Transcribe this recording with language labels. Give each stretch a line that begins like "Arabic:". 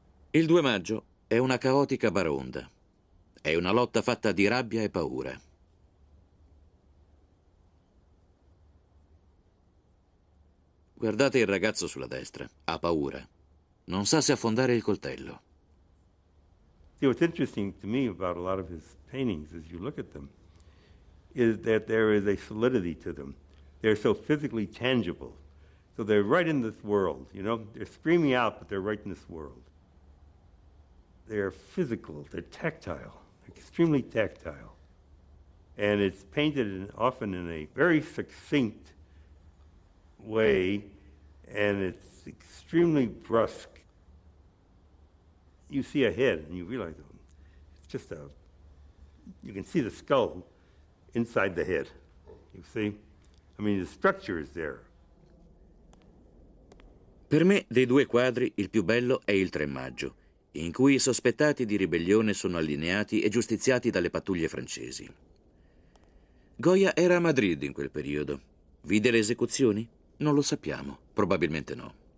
Italian: Il 2 maggio è una caotica baraonda. È una lotta fatta di rabbia e paura. Guardate il ragazzo sulla destra. Ha paura. Non sa se affondare il coltello.
English: See, what's interesting to me about a lot of his paintings is you look at them. Is that there is a solidity to them. They're so physically tangible. So they're right in this world, you know? They're screaming out, but they're right in this world. They're physical, they're tactile, extremely tactile. And it's painted in, often in a very succinct way, and it's extremely brusque. You see a head, and you realize, oh, it's just a, you can see the skull inside the head, you see? I mean, the structure is there.
Italian: Per me, dei due quadri, il più bello è il 3 maggio, in cui i sospettati di ribellione sono allineati e giustiziati dalle pattuglie francesi. Goya era a Madrid in quel periodo. Vide le esecuzioni? Non lo sappiamo, probabilmente no.